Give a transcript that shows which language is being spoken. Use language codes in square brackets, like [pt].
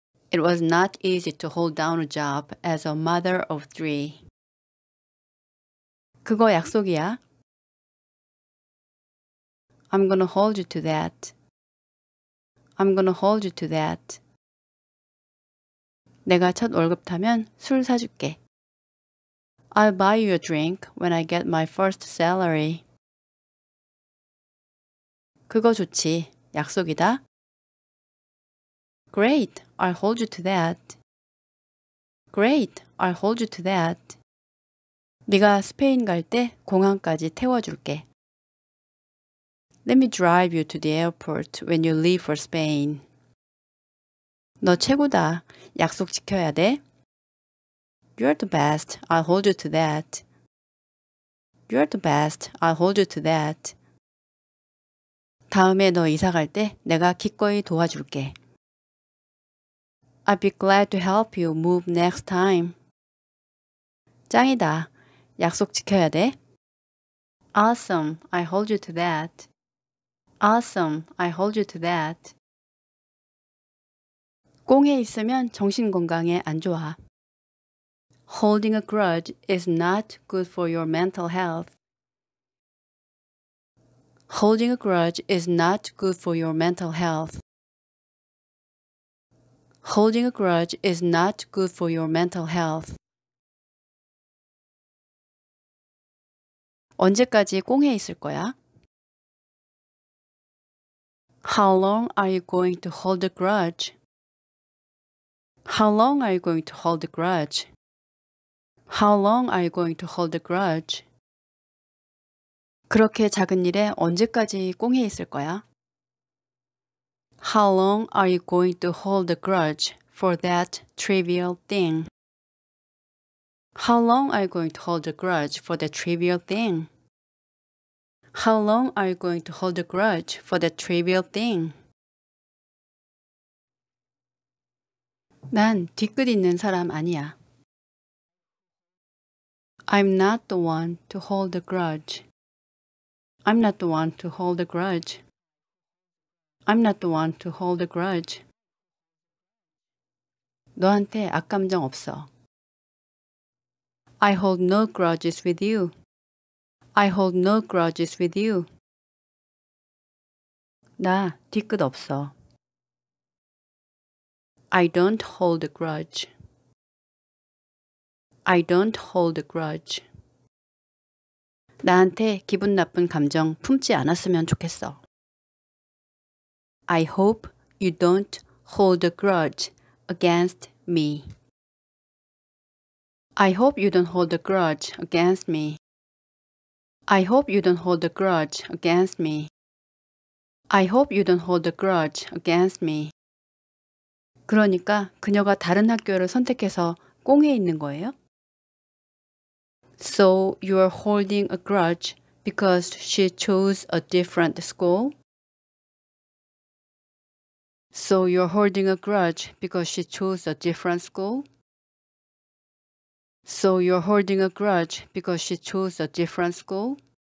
[en] It was not easy to hold down a job as a mother of three. [ko] 그거 약속이야? [en] I'm gonna hold you to that. I'm gonna hold you to that. [ko] 내가 첫 월급 타면 술 사줄게. [en] I'll buy you a drink when I get my first salary. [ko] 그거 좋지. 약속이다. [en] Great. I'll hold you to that. Great. I'll hold you to that. [ko] 네가 스페인 갈 때 공항까지 태워줄게. [en] Let me drive you to the airport when you leave for Spain. [ko] 너 최고다. 약속 지켜야 돼. [en] You're the best. I'll hold you to that. You're the best. I'll hold you to that. [ko] 다음에 너 이사 갈 때 내가 기꺼이 도와줄게. [en] I'd be glad to help you move next time. [ko] 짱이다. 약속 지켜야 돼. [en] Awesome. I hold you to that. Awesome. I hold you to that. [ko] 꽁에 있으면 정신 건강에 안 좋아. [en] Holding a grudge is not good for your mental health. Holding a grudge is not good for your mental health. Holding a grudge is not good for your mental health. [ko] 언제까지 꽁해 있을 거야? [en] How long are you going to hold a grudge? How long are you going to hold a grudge? How long are you going to hold a grudge? [ko] 그렇게 작은 일에 언제까지 꽁해 있을 거야? [en] How long are you going to hold a grudge for that trivial thing? How long are you going to hold a grudge for that trivial thing? How long are you going to hold a grudge for that trivial thing? [ko] 난 뒤끝 있는 사람 아니야. [en] I'm not the one to hold a grudge. I'm not the one to hold a grudge. I'm not the one to hold a grudge. [ko] 너한테 악감정 없어. [en] I hold no grudges with you. I hold no grudges with you. [ko] 나 뒤끝 없어. [en] I don't hold a grudge. I don't hold a grudge. [ko] 나한테 기분 나쁜 감정 품지 않았으면 좋겠어. [en] I hope you don't hold a grudge against me. I hope you don't hold a grudge against me. I hope you don't hold a grudge against me. I hope you don't hold a grudge against me. [ko] 그러니까 그녀가 다른 학교를 선택해서 꽁해 있는 거예요? [en] So you are holding a grudge because she chose a different school? So you are holding a grudge because she chose a different school? So you are holding a grudge because she chose a different school?